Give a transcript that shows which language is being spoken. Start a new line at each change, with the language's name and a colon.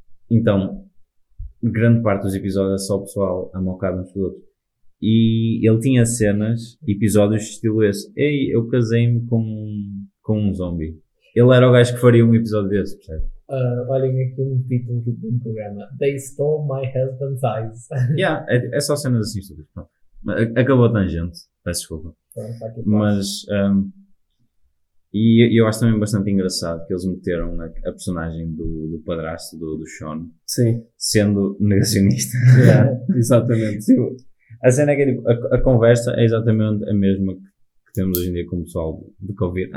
Portuguese: Então, grande parte dos episódios é só o pessoal a mocar uns com os outros. E ele tinha cenas, episódios estilo esse. Ei, eu casei-me com um zombie. Ele era o gajo que faria um episódio desse, percebe? Olhem aqui um título de um programa.
English: They stole my husband's eyes.
Portuguese: Yeah, é só cenas assim. Acabou a tangente. Peço desculpa. Mas, e eu acho também bastante engraçado que eles meteram a personagem do padrasto do Sean. Sim. Sendo negacionista. Yeah, exatamente. Tipo, a cena é que a conversa é exatamente a mesma que temos hoje em dia com o pessoal de Covid.